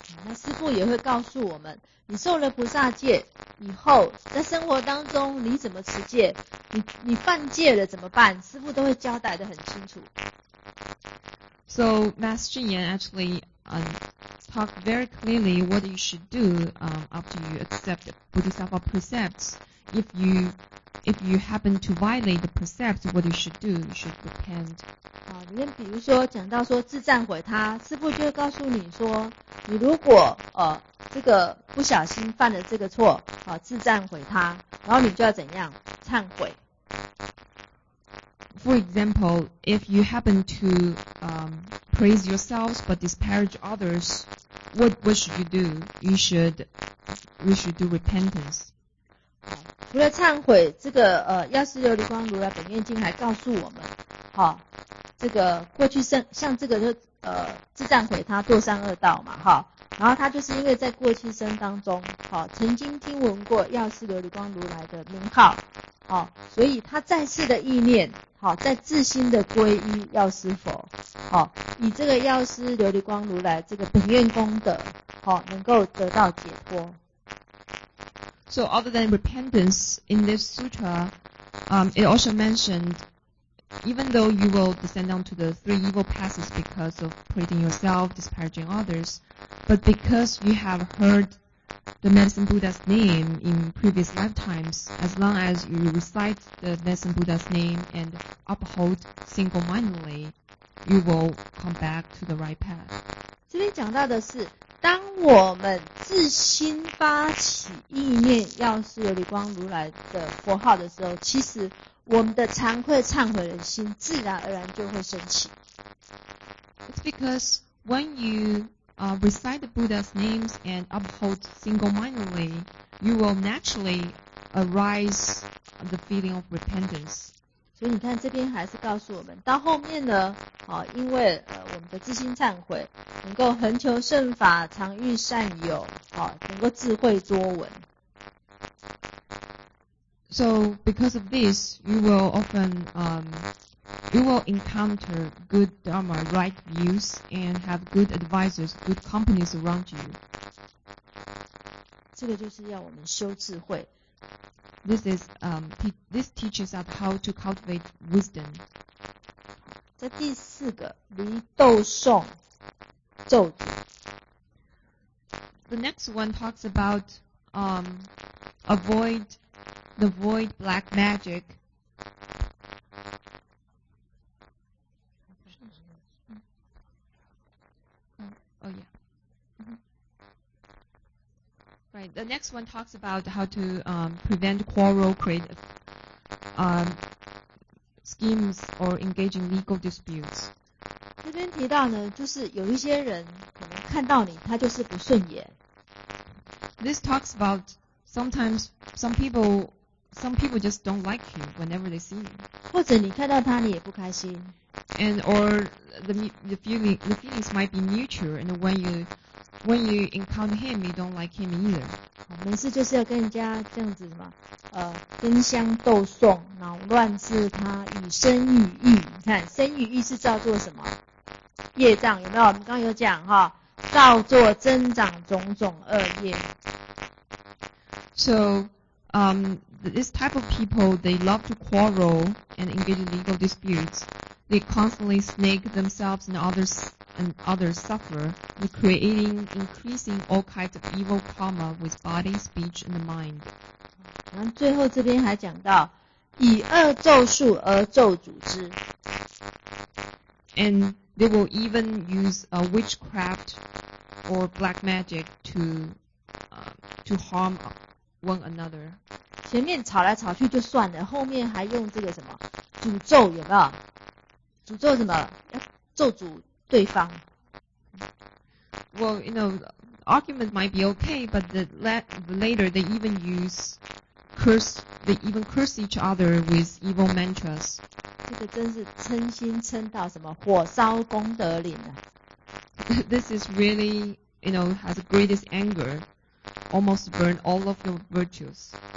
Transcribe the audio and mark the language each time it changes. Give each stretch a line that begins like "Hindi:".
Chinese: 那师父也会告诉我们，你受了菩萨戒以后，在生活当中你怎么持戒，你犯戒了怎么办，师父都会交代得很清楚。
English: So Master Yan actually talked very clearly what you should do after you accept Bodhisattva precepts. If you happen to violate the precepts, what you should do, you should repent.
Chinese: 里面比如说讲到说自忏悔他，师父就告诉你说，你如果这个不小心犯了这个错，自忏悔他，然后你就要怎样忏悔。
English: For example, if you happen to praise yourselves but disparage others, what should you do? We should do repentance.
Chinese: 除了忏悔，这个药师琉璃光如来本愿经还告诉我们，这个过去像这个就自忏悔他堕三恶道嘛，然后他就是因为在过去生当中，曾经听闻过药师琉璃光如来的名号。所以他再次的意念，再自心的皈依药师佛，以这个药师琉璃光如来这个本愿功德，能够得到解脱。
English: So other than repentance, in this sutra, it also mentioned, even though you will descend down to the three evil passes because of praising yourself, disparaging others, but because you have heard the Medicine Buddha's name in previous lifetimes, as long as you recite the Medicine Buddha's name and uphold single-mindedly, you will come back to the right path.
Chinese: 这边讲到的是，当我们自心发起意念药师琉璃光如来的佛号的时候，其实我们的惭愧忏悔的心自然而然就会升起。
English: It's because when yourecite the Buddha's names and uphold single-mindedly, you will naturally arise the feeling of repentance.
Chinese: 所以你看这边还是告诉我们，到后面呢，因为我们的自心忏悔，能够恒求圣法，常遇善友，能够智慧多闻。
English: So because of this, you will often you will encounter good dharma, right views, and have good advisors, good companies around you.
Chinese: 这个就是要我们修智慧。
English: This teaches us how to cultivate wisdom.
Chinese: 在第四个，离斗讼咒诅。
English: The next one talks about avoid black magic. Oh yeah. Mm-hmm. Right. The next one talks about how to prevent quarrel, create schemes or engage in legal disputes.
Chinese: 这边提到呢，就是有一些人可能看到你，他就是不顺眼。
English: This talks about sometimes some people just don't like you whenever they see you.
Chinese: 或者你看到他，你也不开心。
English: And or the feelings might be mutual, and when you encounter him, you don't like him either.
Chinese: 没事就是要跟人家这样子什么，争相斗讼，扰乱是他与身与意。你看，身与意是造作什么业障？有没有？我们刚刚有讲哈，造作增长种种恶业。
English: So, this type of people, they love to quarrel and engage in legal disputes. They constantly snake themselves and others suffer, creating increasing all kinds of evil karma with body, speech, and mind.
Chinese: 然后最后这边还讲到，以恶咒术而咒诅之。
English: And They will even use witchcraft or black magic to harm one another.
Chinese: 前面吵来吵去就算了，后面还用这个什么诅咒，有没有？诅咒什么？咒诅对方。
English: Well, you know, the argument might be okay, but later they even curse each other with evil mantras.
Chinese: 这个真是称心称到什么火烧功德林啊。
English: This is really, you know, has the greatest anger, almost burn all of your virtues.